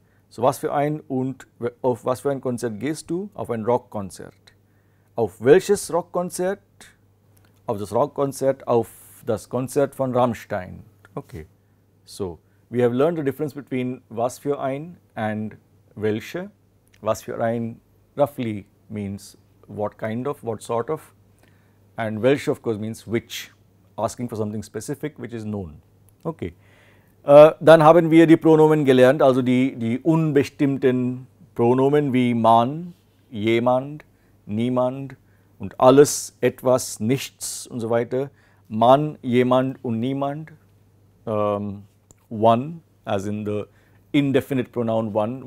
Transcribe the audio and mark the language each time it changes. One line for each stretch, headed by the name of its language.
German: So, was für ein und auf was für ein Konzert gehst du? Auf ein Rockkonzert. Auf welches Rockkonzert? Auf das Rockkonzert, auf das Konzert von Rammstein.
English: Okay. So, we have learned the difference between was für ein and welche. Was für ein roughly means what kind of, what sort of, and welche of course means which, asking for something specific which is known. Okay.
German: Dann haben wir die Pronomen gelernt, also die unbestimmten Pronomen wie man, jemand, niemand und alles, etwas, nichts und so weiter. Man, jemand und niemand.
English: One, as in the indefinite pronoun one.